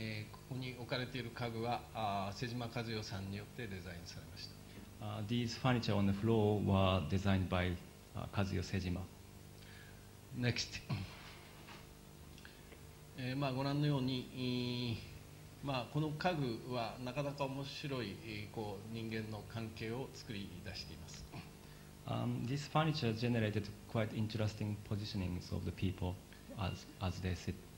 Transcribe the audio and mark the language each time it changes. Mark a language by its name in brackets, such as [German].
[Japanese] ここに置かれている家具は瀬島和代さんによってデザインされました。 [English] These furniture on the floor were designed by 和代瀬島。 Next. [Japanese] まあご覧のように。まあ、この家具はなかなか面白いこう人間の関係を作り出しています。 [English] This furniture generated quite interesting positionings of the people as they sit.